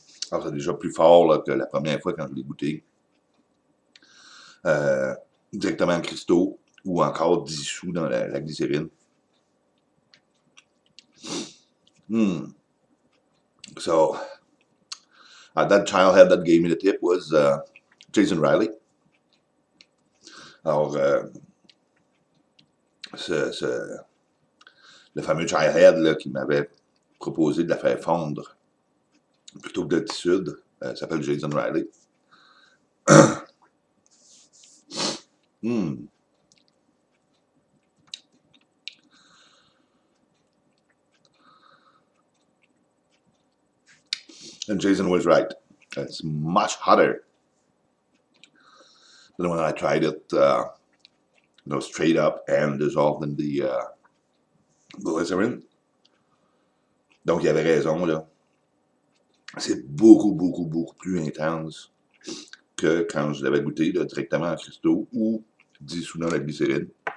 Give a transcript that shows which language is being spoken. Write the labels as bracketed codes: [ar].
[fr] Alors, c'est déjà plus fort là, que la première fois quand je l'ai goûté. Directement en cristaux ou encore dissous dans la glycérine. [en] So, that childhead that gave me the tip was Jason Reilly. [fr] Alors, le fameux childhead là, qui m'avait proposé de la faire fondre plutôt que de dissoudre, s'appelle Jason Reilly. [en] And Jason was right. It's much hotter than when I tried it, straight up and dissolved in the glycerin. [fr] Donc, il avait raison, là. C'est beaucoup, beaucoup, beaucoup plus intense que quand je l'avais goûté, là, directement en cristaux ou dissous dans la glycérine.